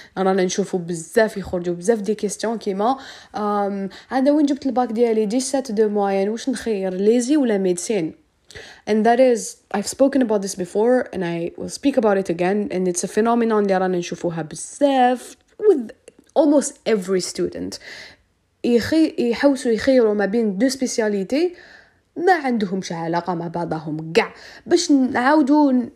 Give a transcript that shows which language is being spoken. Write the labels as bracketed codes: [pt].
[ar] رانا نشوفوا بزاف يخرجوا بزاف [fr] دي كيستيون [ar] كيما عندنا وين جبت الباك ديالي دي 7 دو موان واش نخير ليزي ولا ميديسين. [en] And that is, I've spoken about this before and I will speak about it again, and it's a phenomenon [ar] اللي رانا نشوفوها بزاف [en] with almost every student. [ar] يحوسوا يخيروا ما بين [fr] دو سبيسياليتي [ar] ما عندهمش علاقة مع بعضهم قاع باش نعاودوا.